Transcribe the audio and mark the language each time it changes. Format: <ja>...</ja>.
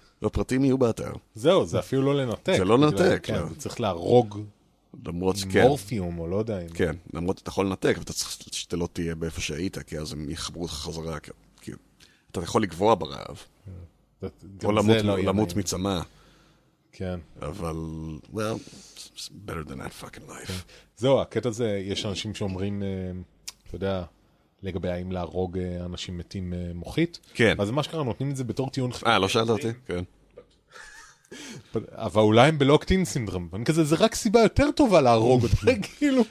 <he>הפרטים יהיו באתר. זהו, זה אפילו לא לנתק. זה לא לנתק. צריך להרוג. למרות שכן. מורפיום, או לא יודע אם... כן, למרות שאתה יכול לנתק, ואתה צריך שאתה לא תהיה באיפה שהיית, כי אז הם יחברו אותך חזרה, כי אתה יכול לקבוע ברעב. או למות מצמה. כן. אבל,</he> <en>well, it's better than that fucking life.</en> <he>זהו, הקטע הזה, יש אנשים שאומרים, אתה יודע, לגבי האם להרוג אנשים מתים מוחית. כן. אז מה שקרה, נותנים את זה בתור טיעון... אה, לא שאלת אותי? כן. אבל אולי הם בלוקטין סינדרום, אני כזה, זה רק סיבה יותר טובה להרוג אותם, כאילו.</he>